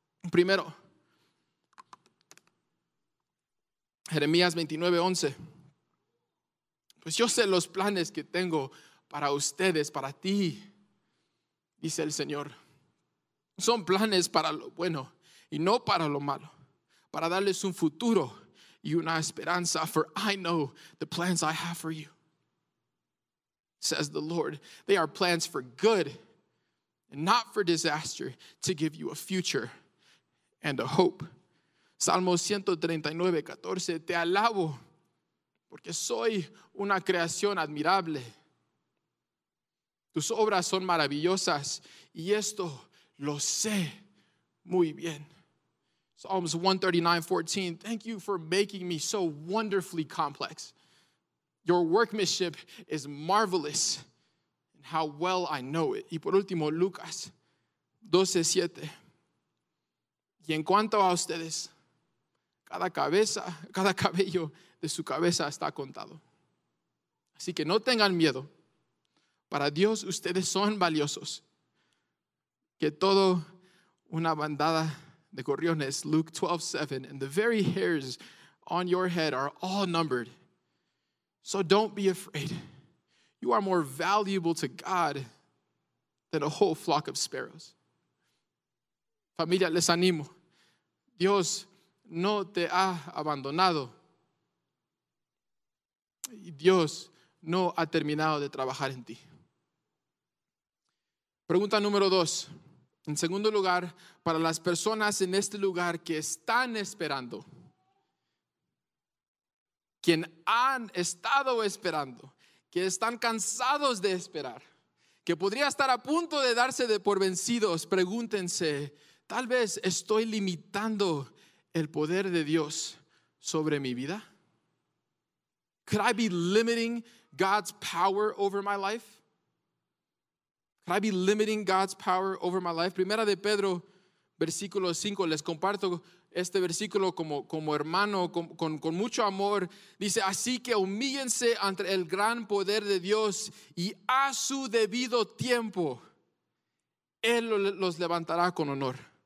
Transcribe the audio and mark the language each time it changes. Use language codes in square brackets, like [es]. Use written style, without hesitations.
[es] Primero, Jeremías 29:11. Pues yo sé los planes que tengo para ustedes, para ti, dice el Señor. Son planes para lo bueno y no para lo malo, para darles un futuro y una esperanza. [en] For I know the plans I have for you, says the Lord. They are plans for good and not for disaster, to give you a future and a hope. [es] Salmo 139:14, te alabo. Porque soy una creación admirable. Tus obras son maravillosas y esto lo sé muy bien. [en] Psalms 139:14. Thank you for making me so wonderfully complex. Your workmanship is marvelous and how well I know it. [es] Y por último, Lucas 12:7. Y en cuanto a ustedes, cada cabello de su cabeza está contado. Así que no tengan miedo. Para Dios ustedes son valiosos. Que todo una bandada de gorriones. [en] Luke 12:7. And the very hairs on your head are all numbered. So don't be afraid. You are more valuable to God than a whole flock of sparrows. [es] Familia, les animo. Dios no te ha abandonado. Dios no ha terminado de trabajar en ti. Pregunta número dos. En segundo lugar, para las personas en este lugar que están esperando, quien han estado esperando, que están cansados de esperar, que podría estar a punto de darse de por vencidos, pregúntense, tal vez estoy limitando el poder de Dios sobre mi vida. [en] Could I be limiting God's power over my life? Could I be limiting God's power over my life? [es] Primera de Pedro, versículo 5, les comparto este versículo como hermano, con mucho amor. Dice, así que humíllense ante el gran poder de Dios y a su debido tiempo, Él los levantará con honor.